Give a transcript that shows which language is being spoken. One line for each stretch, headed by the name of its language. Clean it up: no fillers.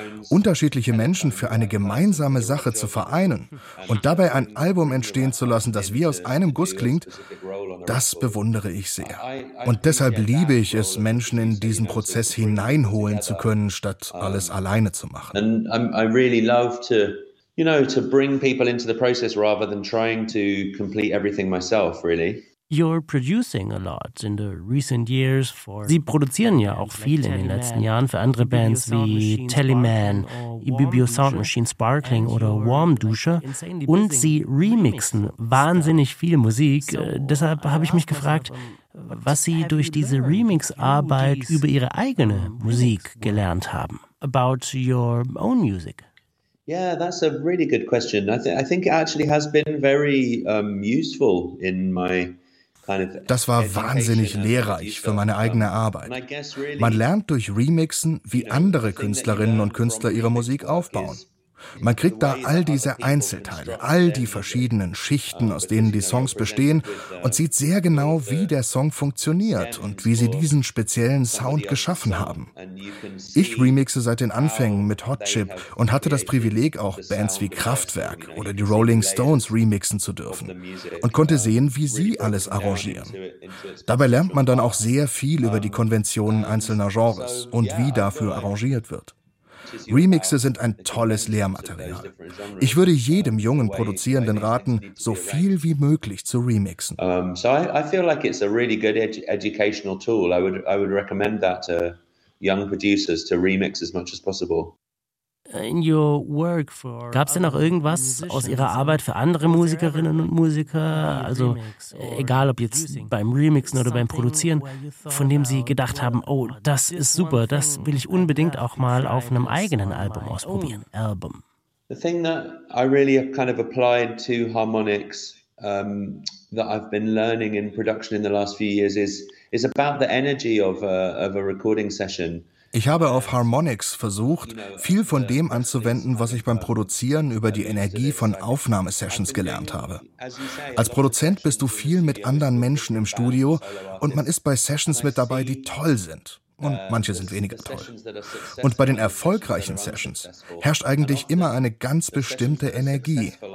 German: Unterschiedliche Menschen für eine gemeinsame Sache zu vereinen und dabei ein Album entstehen zu lassen, das wie aus einem Guss klingt, das bewundere ich sehr. Und deshalb liebe ich es, Menschen in diesen Prozess hineinholen zu können, statt alles alleine zu machen.
English: And I really love to, you know, to bring people into the process rather than trying to complete everything myself, really. You're producing a lot in the recent years for.
German: Sie produzieren ja auch viel in den letzten Jahren für andere Bands wie Tellyman, Ibibio Sound Machine Sparkling oder Warm Dusche. Und sie remixen wahnsinnig viel Musik. Deshalb habe ich mich gefragt, was sie durch diese Remix-Arbeit über ihre eigene Musik gelernt haben.
English: About your own music. Yeah, that's a really good question. I think it actually has been very useful in my.
German: Das war wahnsinnig lehrreich für meine eigene Arbeit. Man lernt durch Remixen, wie andere Künstlerinnen und Künstler ihre Musik aufbauen. Man kriegt da all diese Einzelteile, all die verschiedenen Schichten, aus denen die Songs bestehen, und sieht sehr genau, wie der Song funktioniert und wie sie diesen speziellen Sound geschaffen haben. Ich remixe seit den Anfängen mit Hot Chip und hatte das Privileg, auch Bands wie Kraftwerk oder die Rolling Stones remixen zu dürfen und konnte sehen, wie sie alles arrangieren. Dabei lernt man dann auch sehr viel über die Konventionen einzelner Genres und wie dafür arrangiert wird. Remixe sind ein tolles Lehrmaterial. Ich würde jedem jungen Produzierenden raten, so viel wie möglich zu remixen.
English: So I feel like it's a really good educational tool. I would recommend that to young producers to remix as much as possible.
German: Gab es denn auch irgendwas aus Ihrer Arbeit für andere Musikerinnen und Musiker, also egal ob jetzt beim Remixen oder beim Produzieren, von dem Sie gedacht haben, oh, das ist super, das will ich unbedingt auch mal auf einem eigenen Album ausprobieren?
English: The thing that I really have kind of applied to harmonics that I've been learning in production in the last few years is about the energy of a recording session.
German: Ich habe auf Harmonics versucht, viel von dem anzuwenden, was ich beim Produzieren über die Energie von Aufnahmesessions gelernt habe. Als Produzent bist du viel mit anderen Menschen im Studio und man ist bei Sessions mit dabei, die toll sind. Und manche sind weniger toll. Und bei den erfolgreichen Sessions herrscht eigentlich immer eine ganz bestimmte Energie.